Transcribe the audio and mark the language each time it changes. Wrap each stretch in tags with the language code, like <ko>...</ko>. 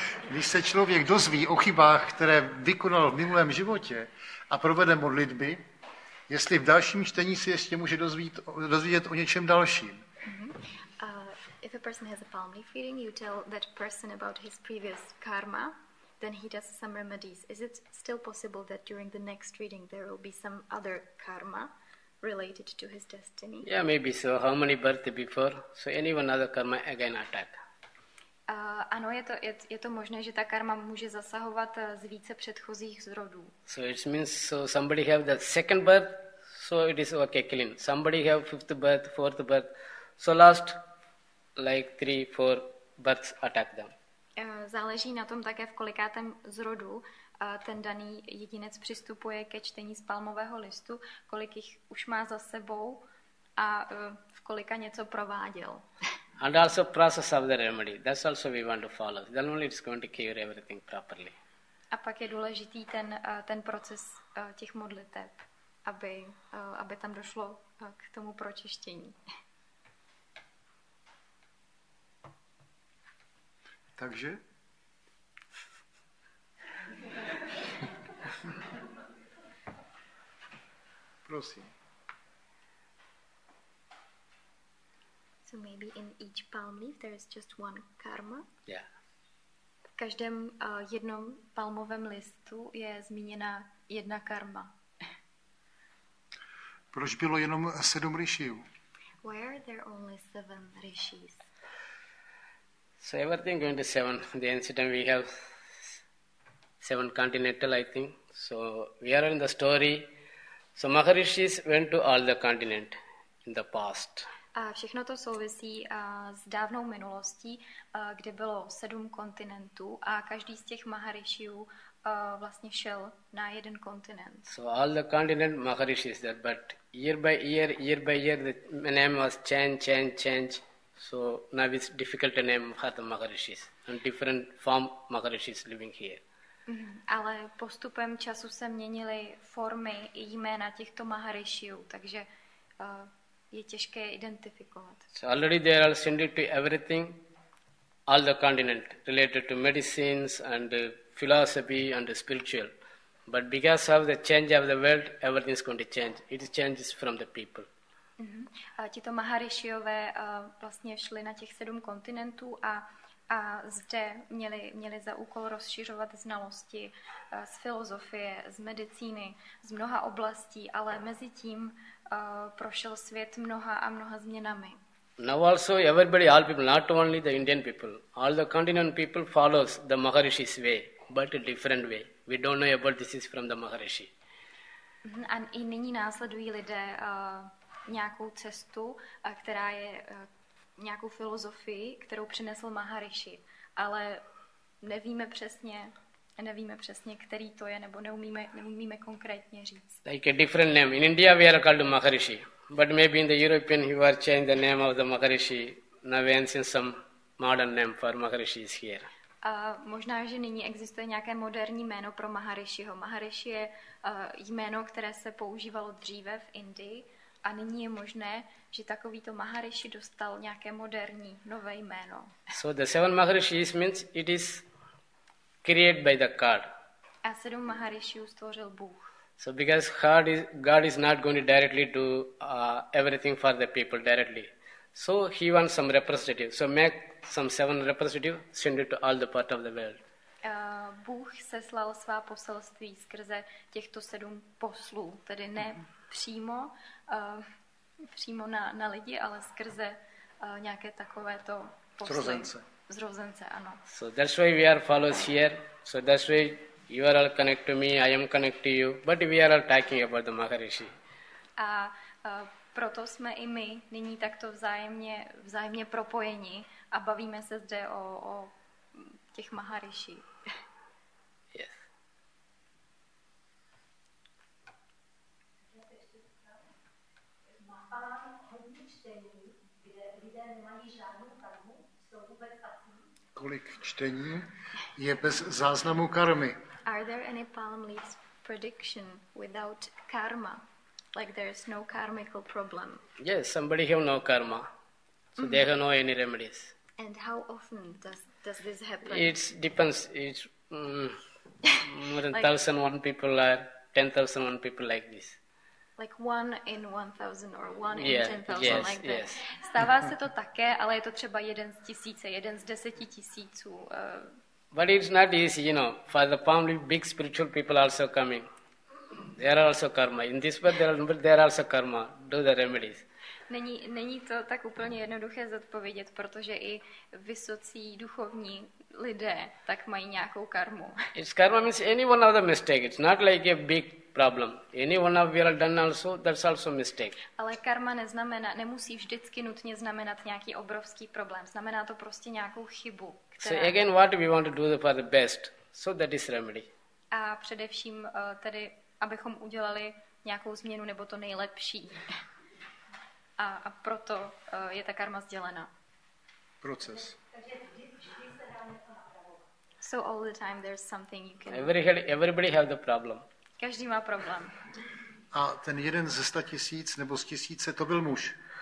<cs>Když se člověk dozví o chybách, které vykonal v minulém životě a provede modlitby, jestli v dalším čtení se ještě může dozvědět o něčem dalším.</cs> <en>If a person has a palm leaf reading, you tell that person about his previous karma, then he does some remedies. Is it still possible that during the next reading there will be some other karma related to his destiny? Yeah, maybe so. How many births before? So anyone other karma again attack.</en> <cs>Ano, je to možné, že ta karma může zasahovat z více předchozích zrodů.</cs> <en>So it means so somebody have the second birth, so it is okay clean. Somebody have fifth birth, fourth birth, so last like 3-4 births attack them.</en> <cs>Záleží na tom také, v kolikátém zrodu ten daný jedinec přistupuje ke čtení z palmového listu, kolik jich už má za sebou a v kolika něco prováděl.</cs> <en>And also process of the remedy. That's also we want to follow. Then only it's going to cure everything properly.</en> <cs>A pak je důležitý ten proces těch modliteb, aby tam došlo k tomu pročištění. Takže? Prosím.</cs> <en>So maybe in each palm leaf there is just one karma. Yeah.</en> <cs>V každém jednom palmovém listu je zmíněna jedna karma. Proč bylo jenom 7 rishiů?</cs> <en>Why are there only 7 rishis? So everything going to 7. The incident we have 7 continental, I think. So we are in the story. So Maharishis went to all the continent in the past.</en> <cs>A všechno to souvisí s dávnou minulostí, kde bylo 7 kontinentů a každý z těch Maharishiů vlastně šel na jeden kontinent.</cs> <en>So all the continent Maharishis there, but year by year the name was change. So now it's difficult to name for the Maharishis and different form Maharishis living here.</en> <cs>Ale postupem času se měnily formy i jména těchto Maharishiů, takže je těžké identifikovat.</cs> <en>So already they are ascended to everything, all the continent related to medicines and philosophy and spiritual. But because of the change of the world, everything is going to change. It changes from the people.</en> <cs>A tito Maharishiové vlastně šli na těch 7 kontinentů a zde měli za úkol rozšiřovat znalosti z filozofie, z medicíny, z mnoha oblastí, ale mezi tím prošel svět mnoha a mnoha změnami.</cs> <en>Now also everybody, all people, not only the Indian people, all the continent people follows the Maharishi's way, but a different way. We don't know about this is from the Maharishi.</en> <cs>A i nyní následují lidé nějakou cestu, která je nějakou filozofii, kterou přinesl Maharishi, ale nevíme přesně, který to je, nebo neumíme konkrétně říct.</cs> <en>Like a different name. In India we are called Maharishi, but maybe in the European you are changing the name of the Maharishi. Now we have some modern name for Maharishi is here.</en> <cs>Možná, že nyní existuje nějaké moderní jméno pro Maharishiho. Maharishi je jméno, které se používalo dříve v Indii, a nyní je možné, že takovýto Maharishi dostal nějaké moderní, nové jméno.</cs> <en>So the 7 Maharishis means it is created by the God.</en> <cs>A 7 Maharishiů stvořil Bůh.</cs> <en>So because God is not going to directly do everything for the people directly. So he wants some representative. So make some 7 representative, send it to all the part of the world.</en> <cs>Bůh seslal svá poselství skrze těchto 7 poslů, tedy ne přímo na lidi, ale skrze nějaké takovéto posly. Zrozence, ano.</cs> <en>So that's why we are followers here. So that's why you are all connect to me, I am connect to you, but we are all talking about the Maharishi.</en> <cs>A proto jsme i my nyní takto vzájemně propojeni a bavíme se zde o těch Maharishi. Kolik čtení je bez záznamu karmy?</cs> <en>Are there any palm leaves prediction without karma? Like there is no karmical problem? Yes, somebody have no karma. So they have no any remedies. And how often does does this happen? It depends. It's more than 1,001 people are 10,001 people like this. Like one in 1,000 or one in 10,000 like that. Yes.</en> <cs>Stává se to také, ale je to třeba jeden z tisíce, jeden z deseti tisíců.</cs> <en>But it's not easy, you know, for the palm leaf, big spiritual people also coming. There are also karma. In this world, there are also karma. Do the remedies.</en> <cs>Není to tak úplně jednoduché zodpovědět, protože i vysocí duchovní lidé tak mají nějakou karmu.</cs> <en>It's karma means any one of the mistakes. It's not like a big problem. Any one of we are done also, that's also mistake.</en> <cs>Ale karma nemusí vždycky nutně znamenat nějaký obrovský problém. Znamená to prostě nějakou chybu.</cs> <en>So again, what we want to do for the best. So that is remedy.</en> <cs>A především tedy, abychom udělali nějakou změnu nebo to nejlepší. A proto je ta karma sdělena. Proces.</cs> <en>So all the time there's something you can... Everybody have the problem.</en> <cs>Každý má problém. A ten jeden ze 100 tisíc nebo z tisíce, to byl muž.</cs>